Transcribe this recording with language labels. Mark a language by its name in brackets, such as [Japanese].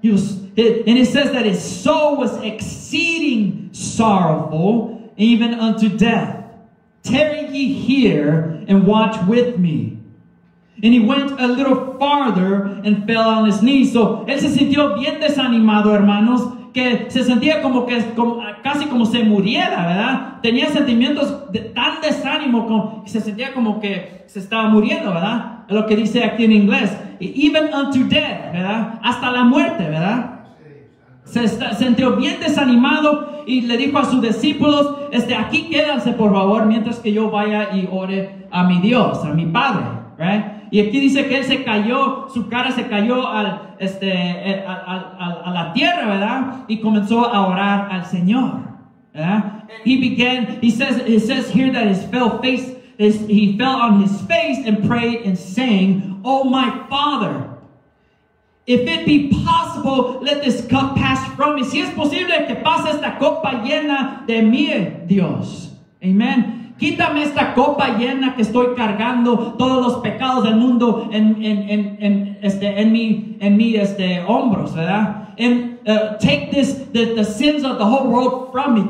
[English] And it says that his soul was exceeding sorrowful, even unto death. Tarry ye here and watch with me. And he went a little farther and fell on his knees. [Spanish] So él se sintió bien desanimado, hermanos, que se sentía casi como se muriera, ¿verdad? Tenía sentimientos de tan desánimo que se sentía como que se estaba muriendo, ¿verdad? Es lo que dice aquí en inglés. [English] Even unto death, [Spanish] ¿verdad? Hasta la muerte, ¿verdad? Se sintió bien desanimado y le dijo a sus discípulos, aquí quédense, por favor, mientras que yo vaya y ore a mi Dios, a mi Padre, ¿verdad? Y aquí dice que él se cayó, su cara se cayó a la tierra, ¿verdad? Y comenzó a orar al Señor, ¿verdad? [English] He says here that he fell on his face and prayed and saying, oh my Father, if it be possible, let this cup pass from me. [Spanish] Si es posible que pase esta copa llena de mí, Dios. [English] Amen. [Spanish] Quítame esta copa llena que estoy cargando todos los pecados del mundo en mi hombros, ¿verdad? [English] And take this, the sins of the whole world from me.